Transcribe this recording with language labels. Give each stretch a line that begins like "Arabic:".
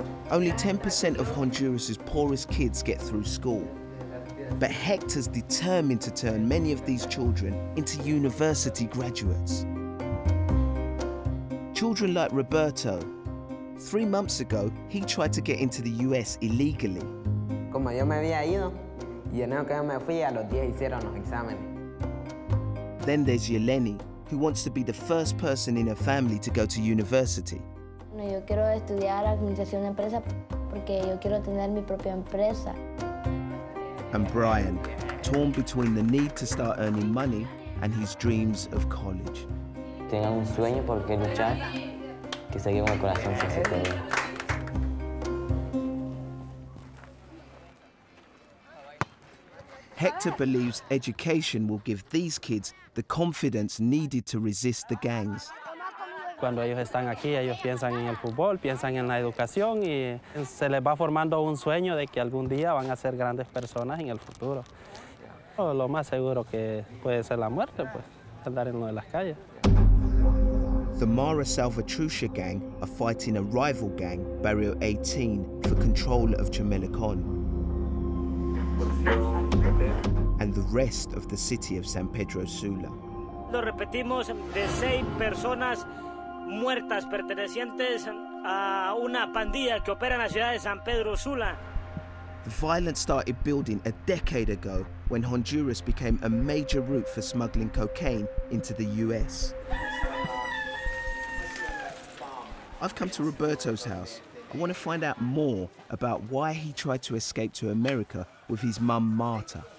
English: Only 10% of Honduras' poorest kids get through school. But Hector's determined to turn many of these children into university graduates. Children like Roberto. 3 months ago, he tried to get into the US illegally.
Spanish: Como yo me había ido. Y en el que me fui, a los 10 hicieron los exámenes.
English: Then there's Yeleni, who wants to be the first person in her family to go to university.
Spanish: No, yo quiero estudiar administración de empresa porque yo quiero tener mi propia empresa.
English: And Brian, torn between the need to start earning money and his dreams of college.
Spanish: Tengan un sueño por qué luchar, que seguir con el corazón si se puede.
English: Hector believes education will give these kids the confidence needed to resist the gangs.
Spanish: Cuando ellos están aquí, ellos piensan en el fútbol, piensan en la educación y se les va formando un sueño de que algún día van a ser grandes personas en el futuro. Lo más seguro que puede ser la muerte, pues, andar en lo de las calles.
English: The Mara Salvatrucha gang are fighting a rival gang, Barrio 18, for control of Chamelecon. And the rest of the city of San Pedro Sula.
Spanish: Lo repetimos, de 6 personas muertas pertenecientes a una pandilla que opera en la ciudad de San Pedro Sula.
English: The violence started building a decade ago when Honduras became a major route for smuggling cocaine into the US. I've come to Roberto's house. I want to find out more about why he tried to escape to America with his mum, Marta.